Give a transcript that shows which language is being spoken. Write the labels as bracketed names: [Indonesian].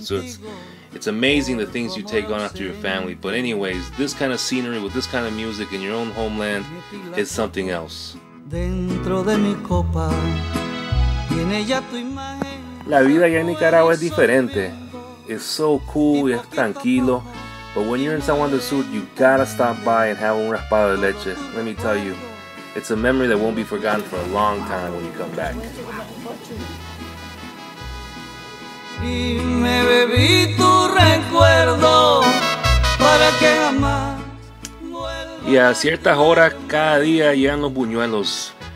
[English] So it's amazing the things you take on after your family. But anyways, this kind of scenery with this kind of music in your own homeland is something else. [Spanish] Dentro de mi copa, tiene ya tu imagen. La vida allá en Nicaragua es diferente. [English] It's so cool, [Spanish] y es tranquilo. [English] But when you're in San Juan del Sur, you gotta stop by and have [Spanish] un raspado de leche. [English] Let me tell you, it's a memory that won't be forgotten for a long time when you come back. [Spanish] Y me bebí tu recuerdo para que jamás. Y a ciertas horas cada día llegan los buñuelos.